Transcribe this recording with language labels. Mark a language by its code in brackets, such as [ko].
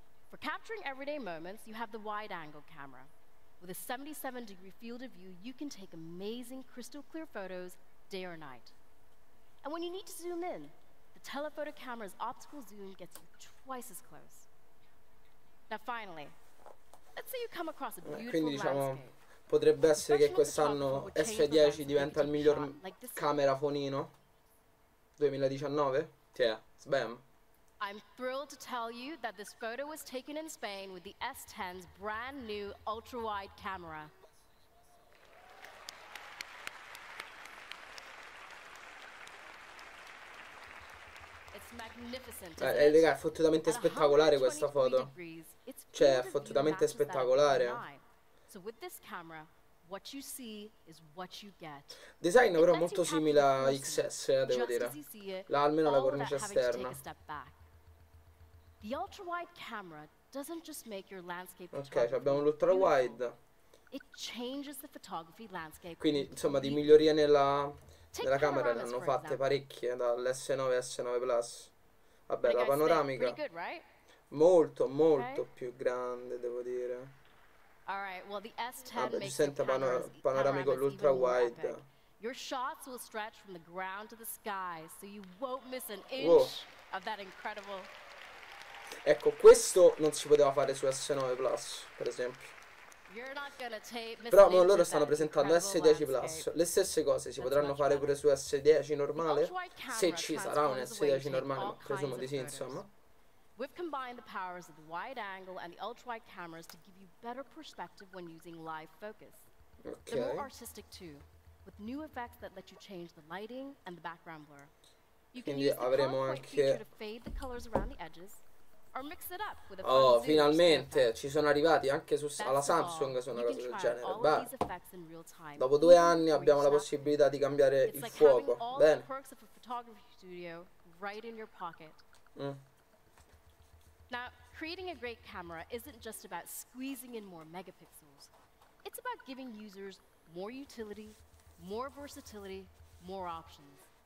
[en] For capturing everyday moments, you have the wide-angle camera. With a 77-degree field of view, you can take amazing crystal clear photos day or night. And when you need to zoom in, the telephoto camera's optical zoom gets you twice as close. Now finally, let's say you come across a beautiful landscape. [it] Potrebbe essere che quest'anno S10 diventa il miglior camera fonino 2019. [en] Yeah, bam. I'm thrilled to tell you that this photo was taken in Spain with the S10's brand new ultra wide camera. It's magnificent. [it] Raga, è fottutamente spettacolare questa foto. Cioè, è fottutamente spettacolare. [en] So with this camera, what you see is what you get. [it] Design però molto simile a XS, devo dire. Almeno la cornice esterna. [en] The ultra wide camera doesn't just make your landscape. [it] Ok, abbiamo l'ultra wide. [en] It changes the photography landscape. [it] Quindi, insomma, di migliorie nella camera ne hanno fatte parecchie dall'S9 a S9 Plus. Vabbè, la panoramica. Molto, molto più grande, devo dire. [en] All right, well, the S10 makes the panoramico ultra wide. Your shots will stretch from the ground to the sky, so you won't miss an inch of that incredible. [it] Ecco, questo non si poteva fare su S9 Plus, per esempio. [en] You're not gonna [it] Però no, loro stanno presentando S10 Plus. Le stesse cose si potranno fare pure su S10 normale, se ci sarà un S10 normale, ma presumo di sì, insomma. [en] We've combined the powers of the wide angle and the ultra wide cameras to give you better perspective when using live focus. Okay. They're more artistic too, with new effects that let you change the lighting and the background blur. You can use the color point feature to fade the colors around the edges or mix it up with a fun zoom. [it] Oh, finalmente ci sono arrivati anche alla Samsung su una cosa del genere. Beh, dopo due anni abbiamo la possibilità di cambiare il fuoco. Bene. [en] Perks of a photography studio right in your pocket. Now, creating a great camera isn't just about squeezing in more megapixels. It's about giving users more utility, more versatility, more options.